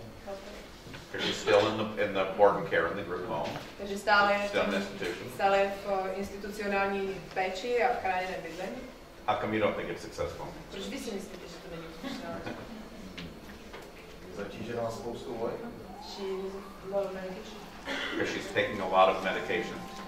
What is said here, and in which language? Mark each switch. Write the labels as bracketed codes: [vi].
[en] pořád. She's still in the board and care in the group home. [cs] Takže stále v institucionální péči a v chráněné bydlení. [en] How come you don't think it's successful? [cs] Proč vy si myslíte, že to není úspěšné? Zatížená spoustu léků. [en] She's a lot of medication. Because she's taking a lot of medication.